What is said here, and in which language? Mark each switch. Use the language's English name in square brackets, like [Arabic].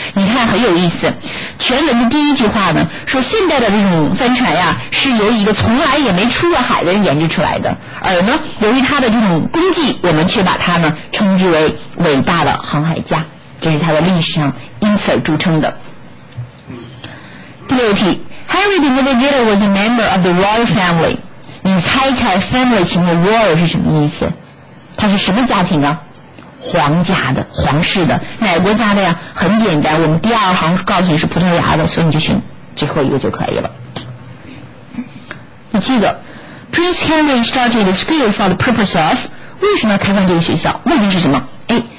[Chinese] 你看很有意思，全文的第一句话呢，说现代的这种帆船呀，是由一个从来也没出过海的人研制出来的，而呢，由于他的这种功绩，我们却把他呢称之为伟大的航海家，这是他的历史上因此而著称的。第六题， [English] Harry the Navigator was a member of the royal family。 [Chinese] 你猜猜 family 前面 royal 是什么意思？他是什么家庭啊？皇家的，皇室的，哪国家的呀？很简单，我们第二行告诉你是葡萄牙的，所以你就选最后一个就可以了。你记得 [English] Prince Henry started a school for the purpose of， [Chinese] 为什么开放这个学校？目的是什么？A.